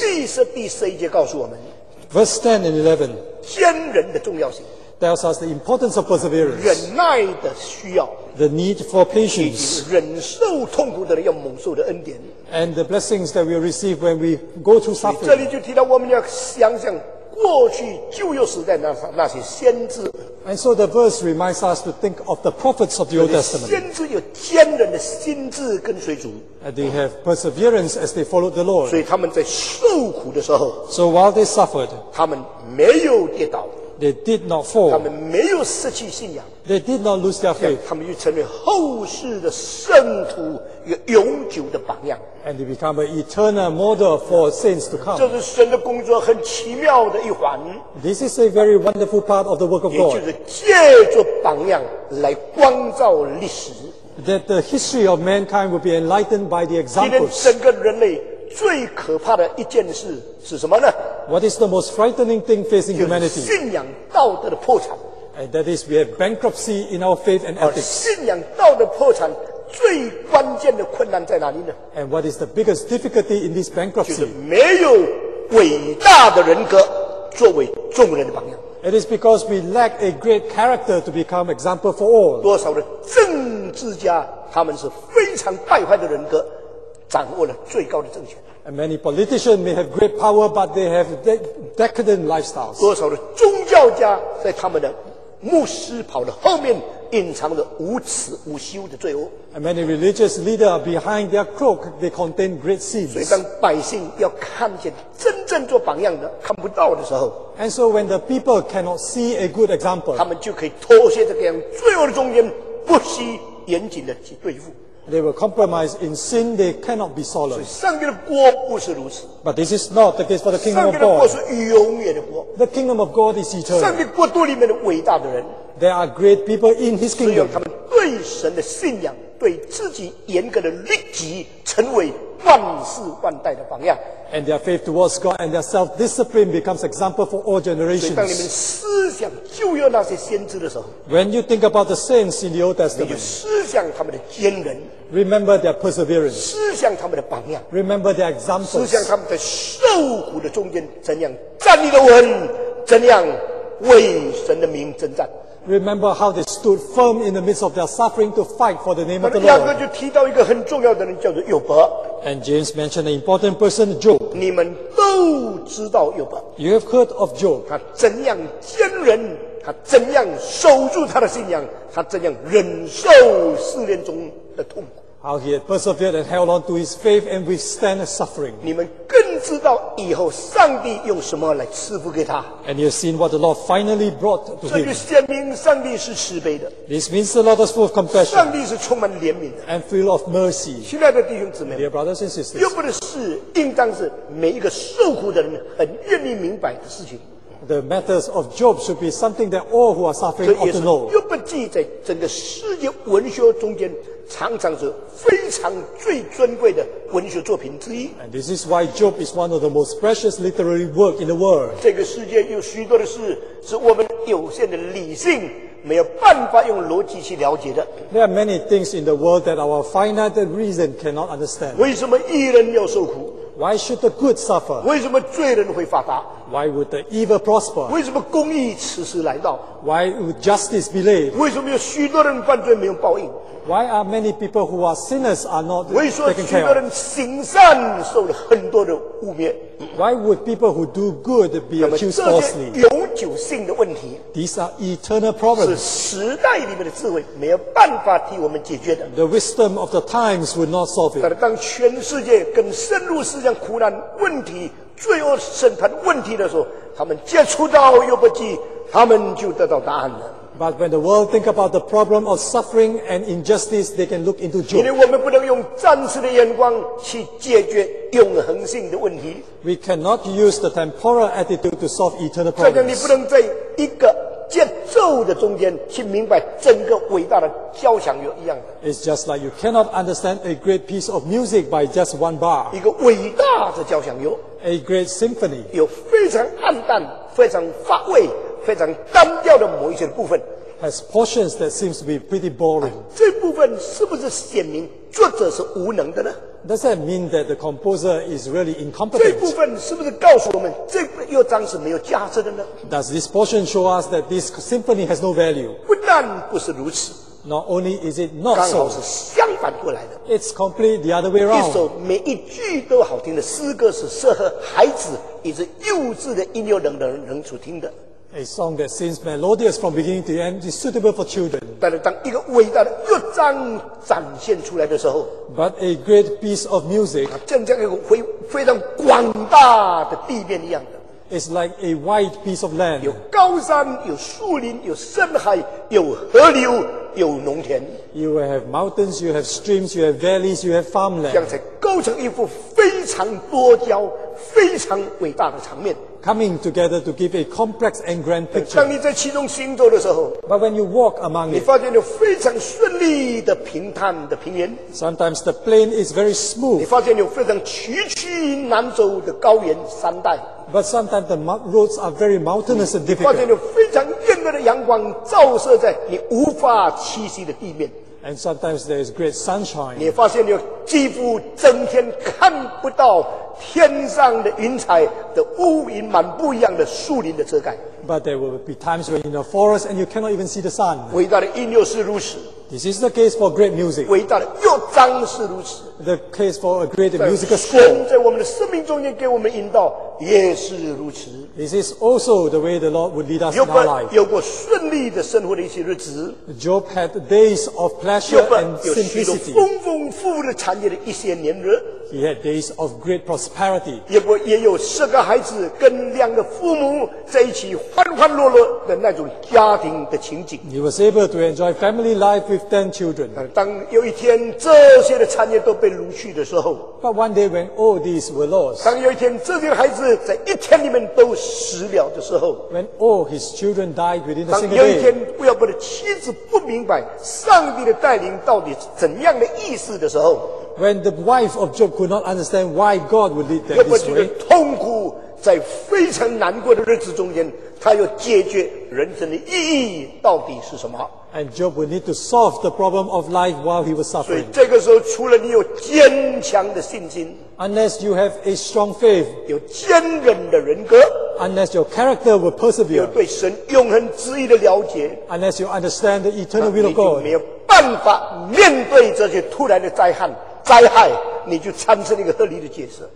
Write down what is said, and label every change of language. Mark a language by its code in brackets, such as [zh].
[zh] 在第十、第十一节告诉我们 [en] Verse 10 and 11, [zh] 坚忍的重要性 [en] tells us the importance of perseverance. [zh] 忍耐的需要 [en] the need for patience. [zh] 忍受痛苦的人要蒙受的恩典。 [en] And the blessings that we receive when we go through suffering. [zh] 这里就提到我们要想想过去旧约时代那些先知。 [en] And so the verse reminds us to think of the prophets of the Old Testament. [zh] 先知有坚忍的心志跟随主。 [en] And they have perseverance as they followed the Lord. [zh] 所以他们在受苦的时候。 [en] So while they suffered. [zh] 他们没有跌倒。 [en] They did not fall. [zh] 他们没有失去信仰。 [en] They did not lose their faith. [zh] 他们就成为后世的圣徒，一个永久的榜样。 [en] And they become an eternal model for saints to come. [zh] 这是神的工作很奇妙的一环。 [en] This is a very wonderful part of the work of God. [zh] 也就是借着榜样来光照历史。 [en] That the history of mankind will be enlightened by the examples. [zh] 今天整个人类最可怕的一件事是什么呢？ [en] What is the most frightening thing facing humanity? [zh] 就是信仰道德的破产。 [en] And that is, we have bankruptcy in our faith and ethics. [zh] 信仰道德破产最关键的困难在哪里呢？ [en] And what is the biggest difficulty in this bankruptcy? [zh] 就是没有伟大的人格作为众人的榜样。 [en] It is because we lack a great character to become example for all. [zh] 多少的政治家，他们是非常败坏的人格，掌握了最高的政权。 [en] And many politicians may have great power, but they have decadent lifestyles. [zh] 多少的宗教家在他们的牧师跑的后面隐藏着无耻无羞的罪恶。 [en] And many religious leaders behind their cloak, they contain great sins. [zh] 所以当百姓要看见真正做榜样的看不到的时候 [en] ，And so when the people cannot see a good example, [zh] 他们就可以妥协在这样罪恶的中间，不惜严谨的去对付。 [en] They will compromise in sin. They cannot be solemn. [zh] 所以上帝的国不是如此。 [en] But this is not the case for the kingdom of God. [zh] 上帝的国是永远的国。 [en] The kingdom of God is eternal. [zh] 上帝国度里面的伟大的人。 [en] There are great people in His kingdom. [zh] 只有他们对神的信仰、对自己严格的律己，成为万世万代的榜样。 [en] And their faith towards God and their self-discipline becomes example for all generations. [zh] 所以，当你们思想旧约那些先知的时候 [en] ，When you think about the saints in the Old Testament， [zh] 你就思想他们的坚韧 [en] ，Remember their perseverance， [zh] 思想他们的榜样 [en] ，Remember their examples， [zh] 思想他们在受苦的中间怎样站立的稳，怎样为神的名征战。 [en] Remember how they stood firm in the midst of their suffering to fight for the name of the Lord. [zh] 雅各就提到一个很重要的人，叫做约伯。 [en] And James mentioned an important person, Job. [zh] 你们都知道约伯。 [en] You have heard of Job. [zh] 他怎样坚韧，他怎样守住他的信仰，他怎样忍受试炼中的痛苦。 [en] How he had persevered and held on to his faith and withstand the suffering. [zh] 你们更知道以后上帝用什么来赐福给他。 [en] And you've seen what the Lord finally brought to him. [zh] 这就显明上帝是慈悲的。 [en] This means the Lord is full of compassion. [zh] 上帝是充满怜悯的。 [en] And full of mercy. [zh] 亲爱的弟兄姊妹。 [en] Dear brothers and sisters. [zh] 约伯的事应当是每一个受苦的人很愿意明白的事情。 [en] The matters of Job should be something that all who are suffering ought to know. [zh] 约伯记在整个世界文学中间常常是非常最尊贵的文学作品之一。 [en] And this is why Job is one of the most precious literary work in the world. [zh] 这个世界有许多的事是我们有限的理性没有办法用逻辑去了解的。 [en] There are many things in the world that our finite reason cannot understand. [zh] 为什么义人要受苦？ [en] Why should the good suffer? [zh] 为什么罪人会发达？ [en] Why would the evil prosper? [zh] 为什么公义迟迟来到？ [en] Why would justice be late? [zh] 为什么有许多人犯罪没有报应？ [en] Why are many people who are sinners are not taken care of? [zh] 为什么许多人行善受了很多的污蔑？ [en] Why would people who do good be accused falsely? [zh] 永久性的问题。 [en] These are eternal problems. [zh] 是时代里面的智慧没有办法替我们解决的。 [en] The wisdom of the times would not solve it. [zh] 但是当全世界更深入思想苦难问题罪恶审判问题的时候，他们接触到约伯记，他们就得到答案了。 [en] But when the world think about the problem of suffering and injustice, they can look into Job. [zh] 因为我们不能用暂时的眼光去解决永恒性的问题。 [en] We cannot use the temporal attitude to solve eternal problems. [zh] 这样你不能在一个节奏的中间去明白整个伟大的交响乐一样的。 [en] It's just like you cannot understand a great piece of music by just one bar. [zh] 一个伟大的交响乐。 [en] A great symphony. [zh] 有非常暗淡，非常乏味，非常单调的某一些部分。 [en] Has portions that seems to be pretty boring. [zh] 这部分是不是显明作者是无能的呢？ [en] Does that mean that the composer is really incompetent? [zh] 这部分是不是告诉我们这乐章是没有价值的呢？ [en] Does this portion show us that this symphony has no value? [zh] 不但不是如此。 [en] Not only is it not so. [zh] 刚好是相反过来的。 [en] It's completely the other way around. [zh] 一首每一句都好听的诗歌是适合孩子以及幼稚的音乐人能所听的。 [en] A song that seems melodious from beginning to end is suitable for children. [zh] 但是当一个伟大的乐章展现出来的时候 [en] ，But a great piece of music， [zh] 像这样一个非常广大的地面一样的 [en] ，It's like a wide piece of land. [zh] 有高山，有树林，有深海，有河流，有农田。 [en] You will have mountains, you have streams, you have valleys, you have farmland. [zh] 像才构成一幅非常多娇、非常伟大的场面。 [en] Coming together to give a complex and grand picture. [zh] 当你在其中行走的时候 [en] ，But when you walk among it, [zh] 你发现有非常顺利的平坦的平原。 [en] Sometimes the plain is very smooth. [zh] 你发现有非常崎岖难走的高原山带。 [en] But sometimes the roads are very mountainous and difficult. [zh] 你发现有非常艳丽的阳光照射在你无法栖息的地面。 [en] And sometimes there is great sunshine. [zh] 你发现有几乎整天看不到天上的云彩的乌云满布一样的树林的遮盖。 [en] But there will be times when you're in a forest and you cannot even see the sun. [zh] 伟大的音乐是如此。 [en] This is the case for great music. [zh] 伟大的乐章是如此。 [en] The case for a great musical score. [zh] 神在我们的生命中间给我们引导也是如此。 [en] This is also the way the Lord would lead us in our life. [zh] 有过顺利的生活的一些日子。 [en] Job had days of pleasure and simplicity. [zh] 有许多丰丰富富的产业的一些年日。 [en] He had days of great prosperity. [zh] 也有十个孩子跟两个父母在一起欢欢乐乐的那种家庭的情景。 [en] He was able to enjoy family life with 10 children. [zh] 当有一天这些的产业都被掳去的时候 [en] ，But one day when all these were lost. [zh] 当有一天这些孩子在一天里面都死了的时候 [en] ，When all his children died within a single day. [zh] 当有一天约伯的妻子不明白上帝的带领到底怎样的意事的时候 [en] ，When the wife of Job could not understand why God would lead them this way， [zh] 约伯觉得痛苦，在非常难过的日子中间，他要解决人生的意义到底是什么。 [en] And Job would need to solve the problem of life while he was suffering. [zh] 所以这个时候，除了你有坚强的信心 [en] ，unless you have a strong faith， [zh] 有坚韧的人格 [en] ，unless your character will persevere， [zh] 有对神永恒旨意的了解 [en] ，unless you understand the eternal will of God， [zh] 你就没有办法面对这些突然的灾害，你就产生一个合理的解释。